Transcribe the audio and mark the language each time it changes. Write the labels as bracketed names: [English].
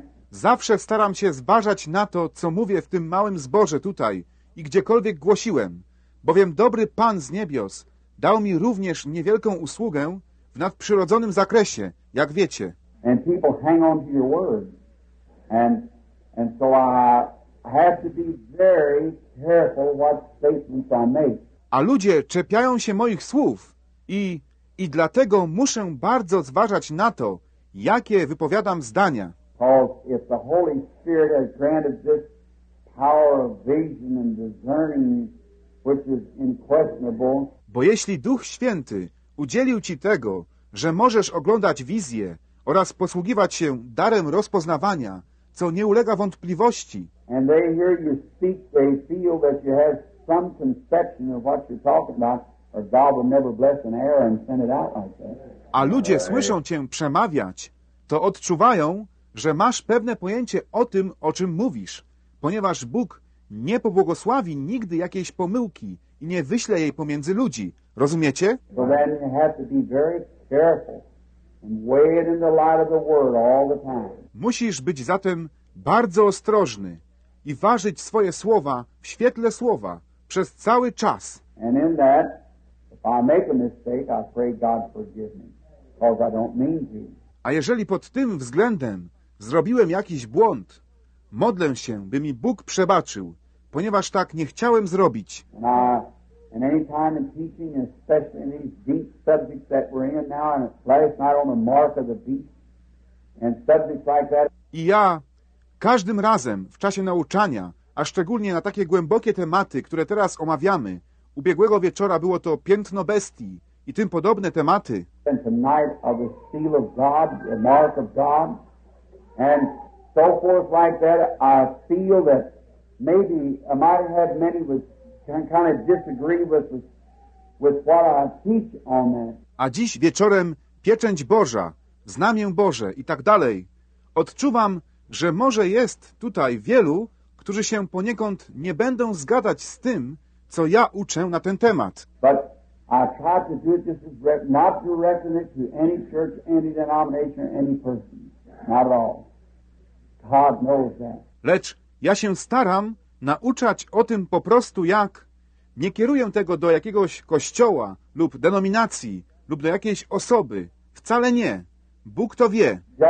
[Polish] Zawsze staram się zbażać na to, co mówię w tym małym zborze tutaj i gdziekolwiek głosiłem, bowiem dobry Pan z niebios dał mi również niewielką usługę w nadprzyrodzonym zakresie, jak wiecie. [English] And people hang on to your word. And so I have to be very careful what statements I make. [Polish] A ludzie czepiają się moich słów i dlatego muszę bardzo zważać na to, jakie wypowiadam zdania. [English] Because if the Holy Spirit has granted this power of vision and discerning, which is unquestionable. [Polish] Bo jeśli Duch Święty udzielił ci tego, że możesz oglądać wizję oraz posługiwać się darem rozpoznawania, co nie ulega wątpliwości. [English] And they hear you speak, they feel that you have some conception of what you're talking about, or God will never bless an error and send it out like that. [Polish] A ludzie słyszą cię przemawiać, to odczuwają, że masz pewne pojęcie o tym, o czym mówisz, ponieważ Bóg nie pobłogosławi nigdy jakiejś pomyłki i nie wyśle jej pomiędzy ludzi. Rozumiecie? [English] So then you have to be very careful and weigh it in the light of the word all the time. [Polish] Musisz być zatem bardzo ostrożny i ważyć swoje słowa w świetle słowa przez cały czas. [English] And in that, if I make a mistake, I pray God forgive me, because I don't mean to. [Polish] A jeżeli pod tym względem zrobiłem jakiś błąd, modlę się, by mi Bóg przebaczył, ponieważ tak nie chciałem zrobić. [English] And any time in teaching, especially in these deep subjects that we're in now, and last night on the mark of the beast, and subjects like that. [Polish] I ja każdym razem w czasie nauczania, a szczególnie na takie głębokie tematy, które teraz omawiamy, ubiegłego wieczora było to piętno bestii i tym podobne tematy. [English] And tonight of the seal of God, the mark of God, and so forth like that, I feel that maybe I might have had many with kind of disagree with what I teach on that. [Polish] A dziś wieczorem pieczęć Boża, znamię Boże i tak dalej. Odczuwam, że może jest tutaj wielu, którzy się poniekąd nie będą zgadzać z tym, co ja uczę na ten temat. [English] But I try to do it just as not directing it to any church, any denomination, any person. Not at all. God knows that. [Polish] Lecz ja się staram nauczać o tym po prostu jak nie kieruję tego do jakiegoś kościoła lub denominacji lub do jakiejś osoby. Wcale nie. Bóg to wie.